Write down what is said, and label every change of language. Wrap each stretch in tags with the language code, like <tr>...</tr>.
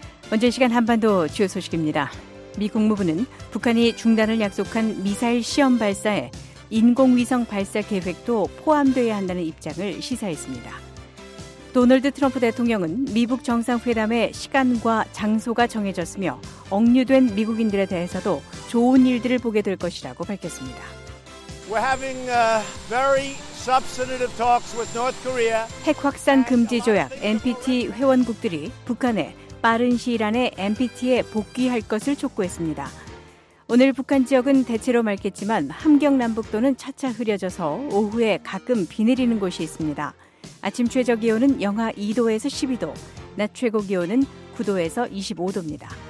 <ko>먼저 이 시간 한반도 주요 소식입니다. 미 국무부는 북한이 중단을 약속한 미사일 시험 발사에 인공위성 발사 계획도 포함돼야 한다는 입장을 시사했습니다. 도널드 트럼프 대통령은 미북 정상회담의 시간과 장소가 정해졌으며 억류된 미국인들에 대해서도 좋은 일들을 보게 될 것이라고 밝혔습니다.</ko> <en>We're having very substantive talks with North Korea.</en> <ko>핵 확산 금지 조약 NPT 회원국들이 북한에 빠른 시일 안에 NPT에 복귀할 것을 촉구했습니다. 오늘 북한 지역은 대체로 맑겠지만 함경 남북도는 차차 흐려져서 오후에 가끔 비 내리는 곳이 있습니다. 아침 최저 기온은 영하 2도에서 12도, 낮 최고 기온은 9도에서 25도입니다.</ko>